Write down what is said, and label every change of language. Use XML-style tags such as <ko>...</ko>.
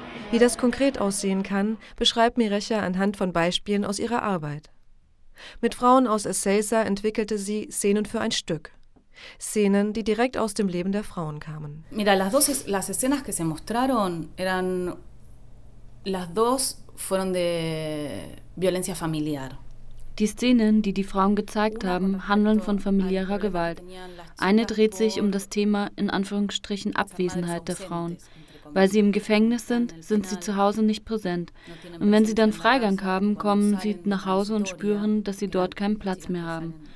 <de>Wie das konkret aussehen kann, beschreibt Mirecha anhand von Beispielen aus ihrer Arbeit. Mit Frauen aus Ezeiza entwickelte sie Szenen für ein Stück. Szenen, die direkt aus dem Leben der Frauen kamen.</de> <es>Mira, las escenas que se mostraron eran las dos fueron de violencia familiar.</es> <de>Die Szenen, die die Frauen gezeigt haben, handeln von familiärer Gewalt. Eine dreht sich um das Thema in Anführungsstrichen Abwesenheit der Frauen. Weil sie im Gefängnis sind, sind sie zu Hause nicht präsent. Und wenn sie dann Freigang haben, kommen sie nach Hause und spüren, dass sie dort keinen Platz mehr haben.</de>